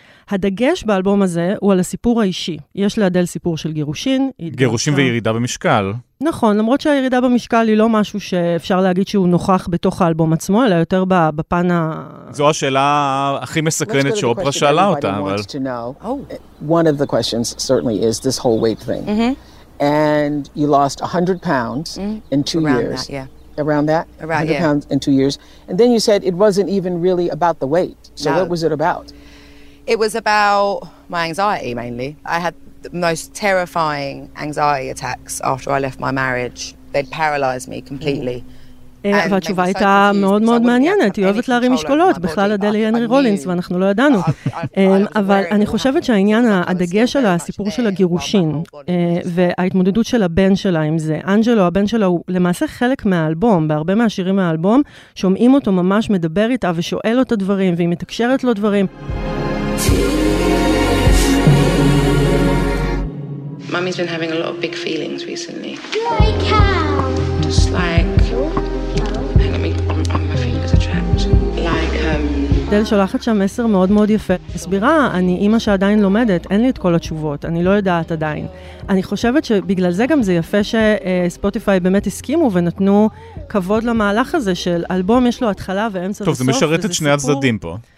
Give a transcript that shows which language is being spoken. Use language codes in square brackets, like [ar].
[he] הדגש באלבום הזה הוא על הסיפור האישי. יש לאדל סיפור של גירושין. גירושין וירידה במשקל. נכון, למרות שהירידה במשקל היא לא משהו שאפשר להגיד שהוא נוכח בתוך האלבום עצמו, אלא יותר בפן ה... זו השאלה הכי מסקרנת שאופרה שאלה אותה, אבל... [en] One of the questions certainly is this whole weight thing. And you lost 100 pounds in 2 years. Around that, yeah. Around that? 100 pounds in 2 years. And then you said it wasn't even really about the weight. So what was it about? It was about my anxiety mainly. I had the most terrifying anxiety attacks after I left my marriage. They'd paralyze me completely. [he] והתשובה הייתה מאוד מאוד מעניינת, היא אוהבת להרים משקולות, בכלל אדל היא הנרי רולינס, ואנחנו לא ידענו. אבל אני חושבת שהעניין, הדגש שלה, הסיפור של הגירושין, וההתמודדות של הבן שלה עם זה, אנג'לו, הבן שלה הוא למעשה חלק מהאלבום, בהרבה מהשירים מהאלבום, שומעים אותו ממש מדבר איתה ושואל אותה דברים, והיא מתקשרת לו דברים. [en] Mommy's been having a lot of big feelings recently. Like how? Just like... Hang on, my fingers are trapped. [he] דל שולחת שם מסר מאוד מאוד יפה. מסבירה, אני אמא שעדיין לומדת, אין לי את כל התשובות, אני לא יודעת עדיין. אני חושבת שבגלל זה גם זה יפה שספוטיפיי באמת הסכימו ונתנו כבוד למהלך הזה של אלבום יש לו התחלה ואמצע וסוף. טוב, זה משרת את שני הצדדים פה.